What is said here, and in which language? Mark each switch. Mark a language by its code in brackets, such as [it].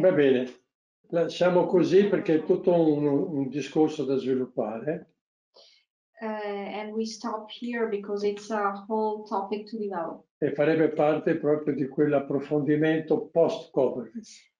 [it] Va bene, lasciamo così perché è tutto un discorso da sviluppare. [en] And we stop here because it's a whole topic to develop. [it] E farebbe parte proprio di quell'approfondimento post-Koberwitz.